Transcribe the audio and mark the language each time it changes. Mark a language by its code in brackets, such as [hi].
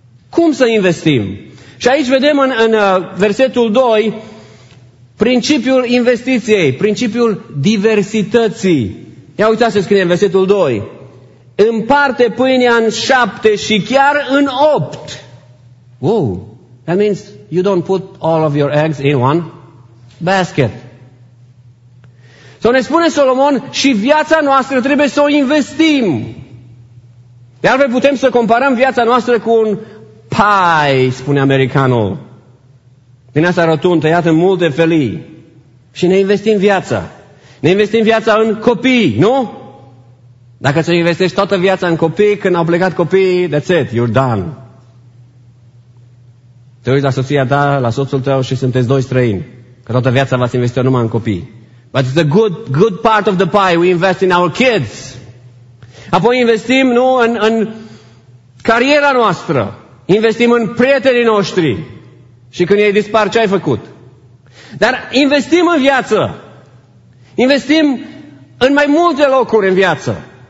[ro] Cum să investim? Și aici vedem în versetul 2 principiul investiției, principiul diversității. Ia uitați ce scrie în versetul 2. Împarte pâinea în 7 și chiar în 8. [en] Wow, that means you don't put all of your eggs in one basket. [ro] Sau ne spune Solomon, și viața noastră trebuie să o investim. De altfel putem să comparăm viața noastră cu un pie, spune americanul. Din asta rotund, tăiat în multe felii. Și ne investim viața. Ne investim viața în copii, nu? Dacă ți-o investești toată viața în copii, când au plecat copiii, [en] that's it, you're done. [ro] Te uiți la soția ta, la soțul tău și sunteți doi străini. Că toată viața v-ați investit numai în copii. [en] But it's a good part of the pie, we invest in our kids. [ro] Apoi investim, nu, în cariera noastră. Investim în prietenii noștri. Și când ei dispar, ce ai făcut? Dar investim în viață. Investim în mai multe locuri în viață.